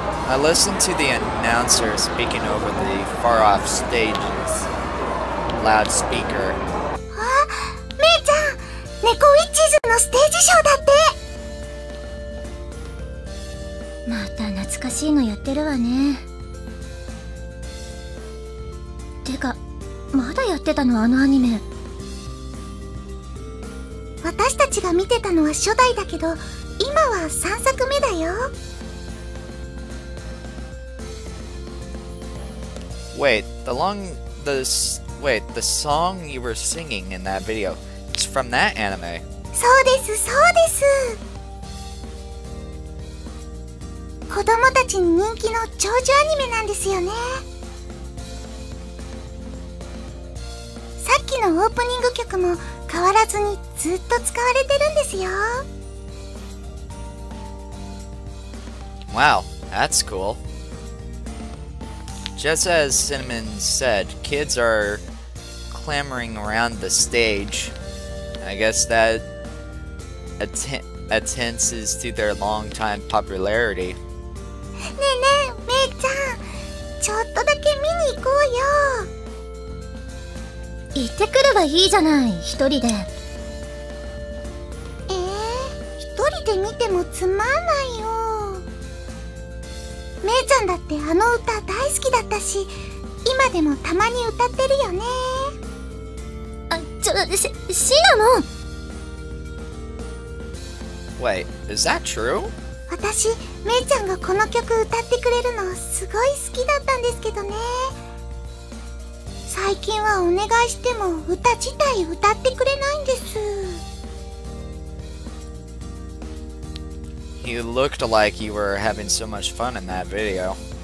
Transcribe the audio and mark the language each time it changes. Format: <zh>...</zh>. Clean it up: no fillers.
<en>I listened to the announcer speaking over the far-off stage's loudspeaker.</en> <ja>あ、メイちゃん、猫ウィッチーズのステージショーだって! また懐かしいのやってるわね。てか、まだやってたの、あのアニメ。私たちが見てたのは初代だけど、今は3作目だよ。</ja> <en>Wait, the song you were singing in that video, it's from that anime.</en> <ja>そうです、そうです。子供たちに人気の長寿アニメなんですよね。さっきのオープニング曲も変わらずにずっと使われてるんですよ。</ja> <en>Wow, that's cool. Just as Cinnamon said, kids are clamoring around the stage. I guess that attenses to their long-time popularity.</en> <ja>ねえねえ、メイちゃん、ちょっとだけ見に行こうよ。行ってくればいいじゃない、一人で。一人で見てもつまんないよ。メイちゃんだってあの歌大好きだったし、今でもたまに歌ってるよね。あ、ちょ、シナモン。</ja> <en>Wait, is that true?</en> <ja>私、メイちゃんがこの曲歌ってくれるのすごい好きだったんですけどね。最近はお願いしても歌自体歌ってくれないんです。</ja> <en>You looked like you were having so much fun in that video.</en>